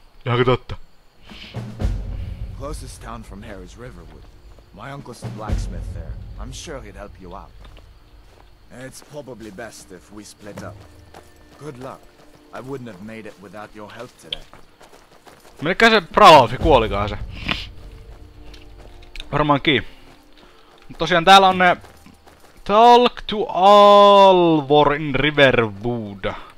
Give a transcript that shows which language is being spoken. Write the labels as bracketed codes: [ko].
[fi] Jaka totta. [en] Closest town from here is Riverwood. My uncle's the blacksmith there. I'm sure he'd help you out. It's probably best if we split up. Good luck. I wouldn't have made it without your help today. [fi] Mikä se Pralofi kuolikaan se? Varmaankin. Mut tosiaan täällä on ne... [en] Talk to Alvor in Riverwood.